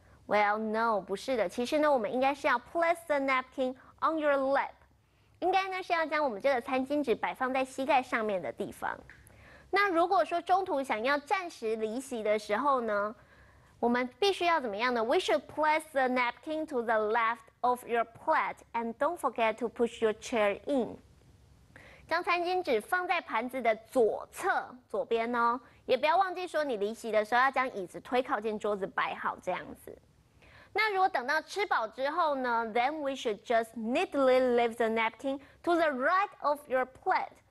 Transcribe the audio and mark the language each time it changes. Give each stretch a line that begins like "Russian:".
English: Well, no,
Chinese: 不是的。其实呢，我们应该是要
English: place the napkin on your lap，
Chinese: 应该呢是要将我们这个餐巾纸摆放在膝盖上面的地方。那如果说中途想要暂时离席的时候呢，我们必须要怎么样呢？
English: We should place the napkin to the left of your plate and don't forget to push your chair in。
Chinese: 将餐巾纸放在盘子的左侧左边哦，也不要忘记说你离席的时候要将椅子推靠近桌子摆好这样子。那如果等到吃饱之后呢，
English: Then we should just neatly leave the napkin to the right of your plate。